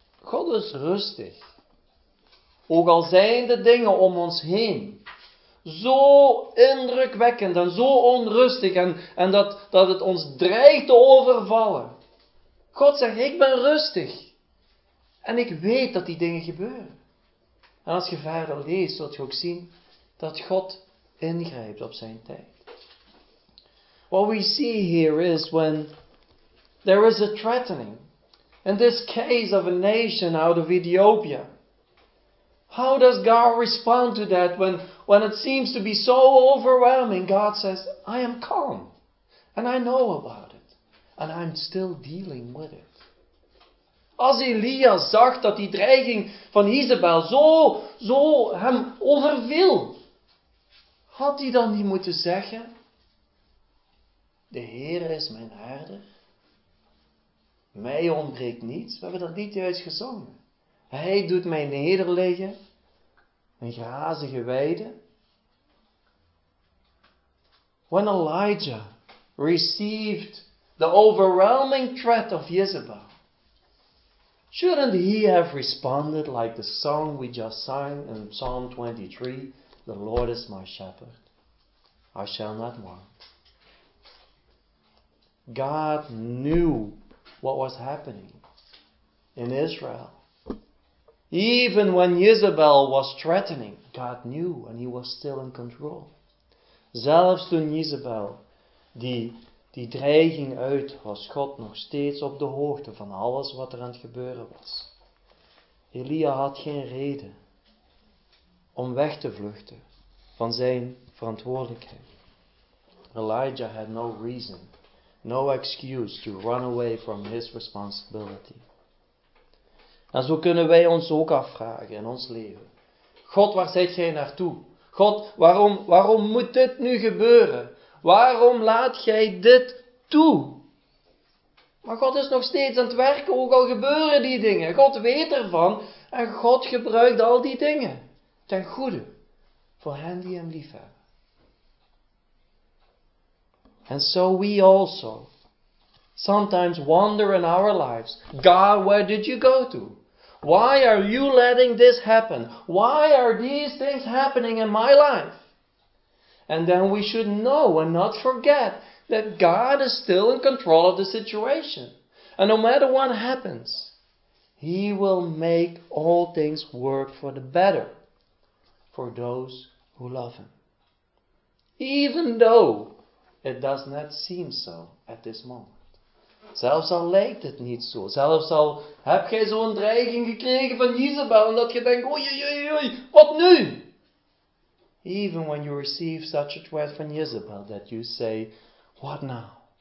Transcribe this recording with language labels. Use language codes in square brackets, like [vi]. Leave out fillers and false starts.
[nl] God is rustig, ook al zijn de dingen om ons heen zo indrukwekkend en zo onrustig en dat het ons dreigt te overvallen. God zegt: ik ben rustig en ik weet dat die dingen gebeuren. En als je verder leest, zult je ook zien dat God ingrijpt op zijn tijd. [en] What we see here is when there is a threatening, in this case of a nation out of Ethiopia. How does God respond to that when it seems to be so overwhelming? God says, I am calm and I know about it and I'm still dealing with it. [nl] Als Elia zag dat die dreiging van Isabel zo hem overviel, had hij dan niet moeten zeggen: de Heere is mijn herder, mij ontbreekt niets? We hebben dat niet juist gezongen. Hij doet mij nederliggen in grazige weiden. [en] When Elijah received the overwhelming threat of Isabel, shouldn't he have responded like the song we just sang in Psalm 23, the Lord is my shepherd, I shall not want? God knew what was happening in Israel. Even when Jezebel was threatening, God knew and he was still in control. [nl] Zelfs toen Jezebel die dreiging uit, was God nog steeds op de hoogte van alles wat er aan het gebeuren was. Elia had geen reden om weg te vluchten van zijn verantwoordelijkheid. [en] Elijah had no reason, no excuse to run away from his responsibility. [nl] En zo kunnen wij ons ook afvragen in ons leven: God, waar zijt gij naartoe? God, waarom moet dit nu gebeuren? Waarom laat gij dit toe? Maar God is nog steeds aan het werken, ook al gebeuren die dingen. God weet ervan en God gebruikt al die dingen ten goede voor hen die hem lief hebben. [en] And so we also sometimes wonder in our lives: God, where did you go to? Why are you letting this happen? Why are these things happening in my life? And then we should know and not forget that God is still in control of the situation. And no matter what happens, he will make all things work for the better for those who love him, even though it does not seem so at this moment. [nl] Zelfs al lijkt het niet zo. Zelfs al heb jij zo'n dreiging gekregen van Jezebel. En dat je denkt: oei, oei, oei, oei, wat nu? [en] Even when you receive such a threat from Jezebel, that you say: what now?